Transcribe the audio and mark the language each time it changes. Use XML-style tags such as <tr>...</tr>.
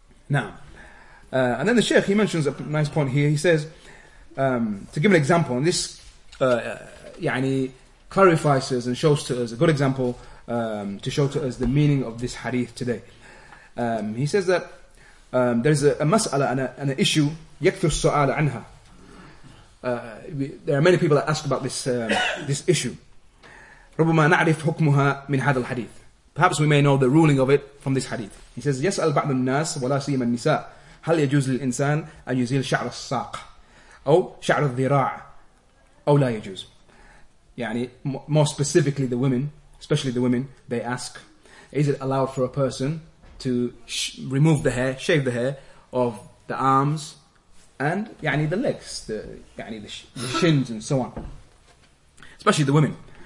<en>Now, and then the Sheikh, he mentions a nice point here. He says, to give an example, and this يعني clarifies us and shows to us a good example to show to us the meaning of this hadith today. He says that there is a mas'ala and an issue,</en> <ar>يكثر السؤال عنها.</ar> <en>There are many people that ask about this this issue.</en> <ar>ربما نعرف حكمها من هذا الحديث.</ar> <en>Perhaps we may know the ruling of it from this hadith. He says,</en> <ar>يسأل بعض الناس ولا سيما النساء هل يجوز للإنسان أن يزيل شعر الساق أو شعر الذراع أو لا يجوز.</ar> <en>يعني more specifically the women, especially the women, they ask, is it allowed for a person to remove the hair, shave the hair of the arms and يعني the legs, the shins and so on, especially the women.</en>